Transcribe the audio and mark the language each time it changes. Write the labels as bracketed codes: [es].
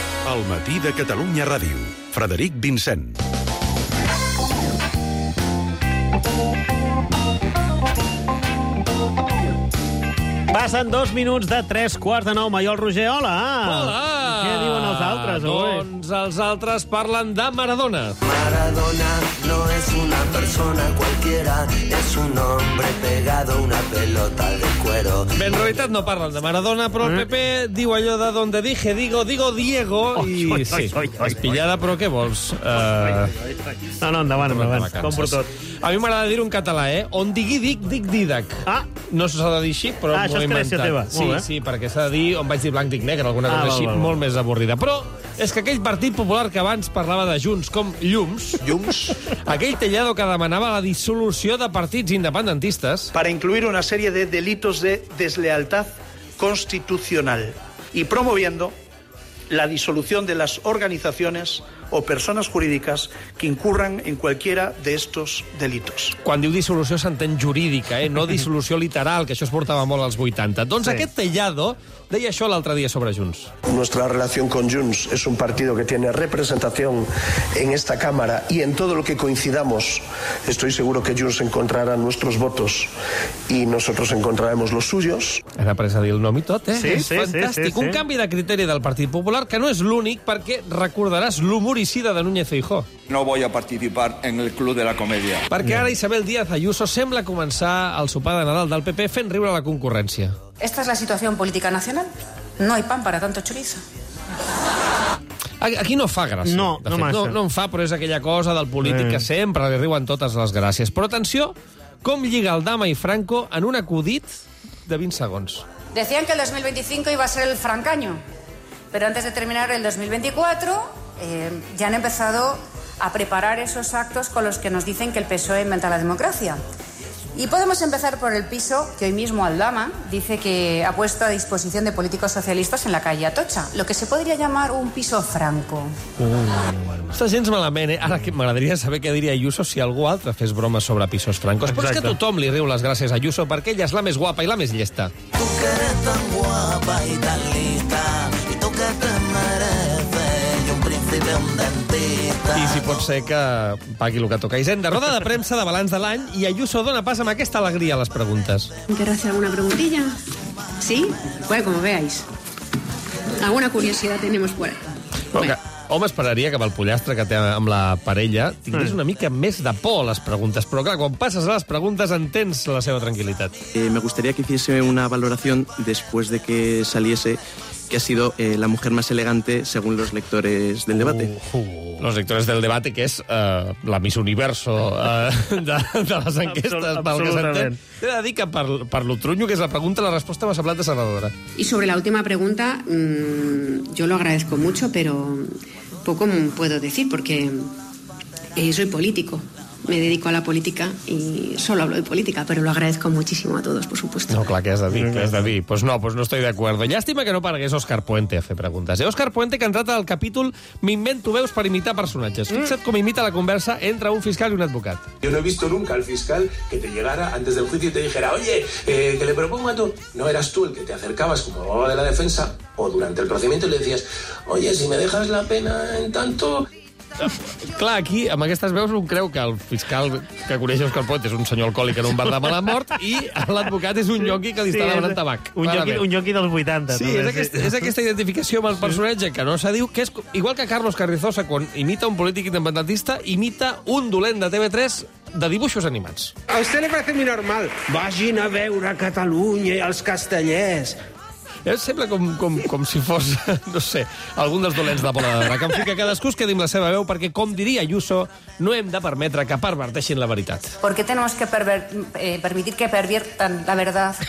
[ca] El matí de Catalunya Ràdio. Frederic Vincent. Passen 2 minuts de 3:15. Maiol Roger, hola. Hola. Què diuen els altres, avui? Doncs els altres parlen de Maradona. [es] Maradona no es una persona cualquiera, es un hombre pegado una pelota de cuero. [ca] Bé, en realitat no parlen de Maradona, però el PP diu allò de [es] donde dije, digo Diego, [ca] oi, sí, és pillada, però què vols? No, endavant. Com per tot. A mi m'agrada dir un català, eh? On digui, dic didac. Ah. No s'ha de dir així, però... Ah, això és creació teva. Sí, perquè s'ha de dir on vaig dir blanc, dic negre, alguna cosa així, molt més avorrida. Però És que aquell Partit Popular que abans parlava de Junts com llums... Llums? Aquell Tellado que demanava la dissolució de partits independentistes... [es] Para incluir una serie de delitos de deslealtad constitucional y promoviendo la disolución de las organizaciones o personas jurídicas que incurran en cualquiera de estos delitos. [ca] Quan diu dissolució s'entén jurídica, eh? No dissolució literal, que això es portava molt als 80. Doncs sí. Aquest Tellado deia això l'altre dia sobre Junts. [es] Nuestra relación con Junts es un partido que tiene representación en esta cámara y en todo lo que coincidamos estoy seguro que Junts encontrará nuestros votos y nosotros encontraremos los suyos. [ca] Era pres a dir el nom i tot, eh? Sí, és fantàstic. Sí, sí, un canvi de criteri del Partit Popular que no és l'únic perquè recordaràs l'humoricida de Núñez Feijó. [es] No voy a participar en el club de la comedia. [ca] Perquè ara Isabel Díaz Ayuso sembla començar el sopar de Nadal del PP fent riure la concurrència. [es] Esta es la situación política nacional. No hay pan para tanto chorizo. [ca] Aquí no fa gràcia. No, no massa. No en fa, però és aquella cosa del polític que sempre li riuen totes les gràcies. Però atenció, com lliga el Dama i Franco en un acudit de 20 segons. [es] Decían que el 2025 iba a ser el francaño. Pero antes de terminar el 2024, ya han empezado a preparar esos actos con los que nos dicen que el PSOE inventa la democracia. Y podemos empezar por el piso que hoy mismo Aldama dice que ha puesto a disposición de políticos socialistas en la calle Atocha, lo que se podría llamar un piso franco. [ca] Està gens malament, eh? Ara que m'agradaria saber què diria Ayuso si algú altre fes bromes sobre pisos francos. Exacte. Però és que tothom li riu les gràcies a Ayuso perquè ella és la més guapa i la més llesta. [es] Tu que eres tan guapa i tan lista i tu que te mereces i un príncipe, un dentista. [ca] I si pot ser que pagui el que toca. Hisenda, roda de premsa de balanç de l'any i Ayuso dona pas amb aquesta alegria a les preguntes. [es] ¿Quieres hacer alguna preguntilla? ¿Sí? Bueno, como veáis. Alguna curiosidad tenemos por ahí. Bueno. Okay. [ca] Home, esperaria que amb el pollastre que té amb la parella tingués una mica més de por a les preguntes. Però clar, quan passes a les preguntes entens la seva tranquil·litat. [es] Me gustaría que hiciese una valoración después de que saliese que ha sido la mujer más elegante según los lectores del debate. Los lectores del debate, [ca] que és la Miss Universo de les enquestes. Absolutament. T'he de dir que per lo trunyo que és la pregunta, la resposta m'ha semblat desagradadora. [es] Y sobre la última pregunta, yo lo agradezco mucho, pero poco puedo decir, porque soy político. Me dedico a la política y solo hablo de política, pero lo agradezco muchísimo a todos, por supuesto. [ca] No, clar, que has de dir, que has de dir. [es] Pues no, pues no estoy de acuerdo. [ca] Llàstima que no paregués Òscar Puente a fer preguntes. Òscar Puente, que ha entrat al capítol M'invento veus per imitar personatges. Fixa't com imita la conversa entre un fiscal i un advocat. [es] Yo no he visto nunca al fiscal que te llegara antes del juicio y te dijera, oye, que le propongo a tú. No eras tú el que te acercabas como abogado de la defensa o durante el procedimiento le decías, oye, si me dejas la pena en tanto... [ca] Clar, aquí, amb aquestes veus, un creu que el fiscal que coneix Òscar Puente és un senyor alcohòlic en un bar de mala mort i l'advocat és un ioqui que li està demanant tabac. Un ioqui dels 80. Sí, és aquesta identificació amb el personatge que no se diu, que és igual que Carlos Carrizosa, quan imita un polític independentista, imita un dolent de TV3 de dibuixos animats. [es] A usted le parece muy normal. [ca] Vagin a veure Catalunya i els castellers. Sembla com si fos, no sé, algun dels dolents de Bola de Drac. En fi, que cadascú es quedi amb la seva veu, perquè, com diria Ayuso, no hem de permetre que perverteixin la veritat. [es] ¿Por qué tenemos que permitir que perviertan la verdad?